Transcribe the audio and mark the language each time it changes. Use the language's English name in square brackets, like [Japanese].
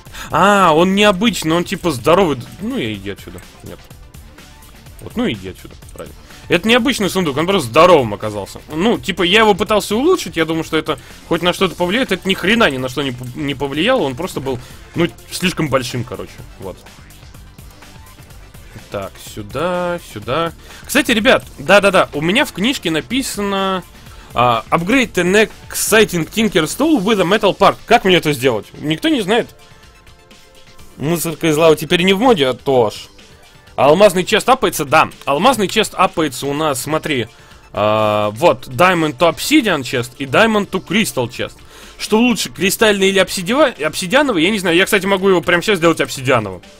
[Russian] А, он необычный, он типа здоровый. Ну, я иди отсюда. Нет. Вот, ну, иди отсюда, правильно. Это необычный сундук, он просто здоровым оказался. Ну, типа, я его пытался улучшить, я думаю, что это хоть на что-то повлияет. Это ни хрена ни на что не повлияло, он просто был, ну, слишком большим, короче. Вот. Так, сюда, сюда. Кстати, ребят, да-да-да, у меня в книжке написано [English] Upgrade the next exciting tinker stool with a metal part. [Russian] Как мне это сделать? Никто не знает. Мусорка из лавы теперь не в моде, а то ж. Алмазный чест апается? Да. Алмазный чест апается у нас, смотри, Вот, Diamond to Obsidian chest и Diamond to Crystal chest. Что лучше, кристальный или обсидиановый? Я не знаю, я, кстати, могу его прямо сейчас сделать обсидиановым.